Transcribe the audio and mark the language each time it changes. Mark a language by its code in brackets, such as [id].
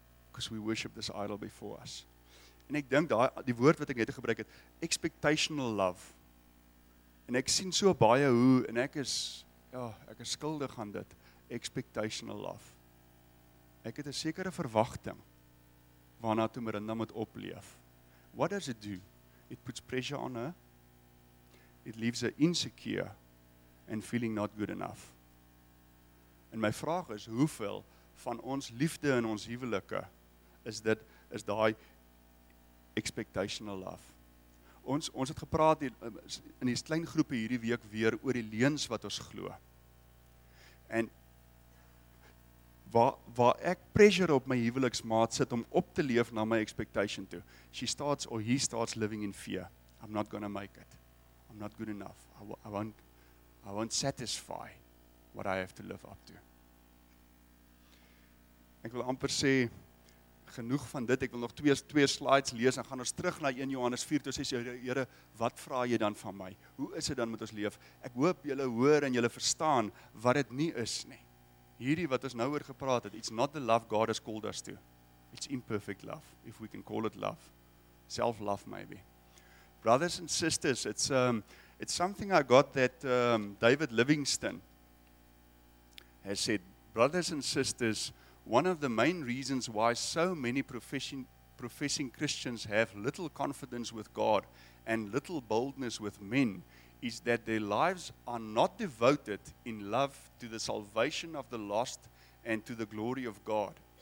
[en] Because we worship this idol before us. [af] En ek dink, die woord wat ek net gebruik het, expectational love. En ek sien so baie hoe, en ek is skuldig aan dit, expectational love. Ek het 'n sekere verwagting, waarna toe Miranda moet opleef. [en] What does it do? It puts pressure on her. It leaves her insecure and feeling not good enough. [af] En my vraag is, hoeveel van ons liefde in ons huwelike is daai expectational love? Ons het gepraat in die klein groepe hierdie week weer oor die leuns wat ons glo. En waar ek pressure op my huweliksmaat sit om op te leef na my expectation toe. [en] He starts living in fear. I'm not going to make it. I'm not good enough. I won't satisfy what I have to live up to. [af] Ek wil amper sê, genoeg van dit, ek wil nog twee slides lees, en gaan ons terug na 1 Johannes 4, toe sê, Here, wat vraag jy dan van my? Hoe is dit dan met ons leef? Ek hoop julle hoor en julle verstaan wat dit nie is nie. Hierdie wat ons nou oor gepraat het, [en] it's not the love God has called us to. It's imperfect love, if we can call it love. Self-love maybe. Brothers and sisters, it's something I got that David Livingstone has said, brothers and sisters, one of the main reasons why so many professing Christians have little confidence with God and little boldness with men is that their lives are not devoted in love to the salvation of the lost and to the glory of God,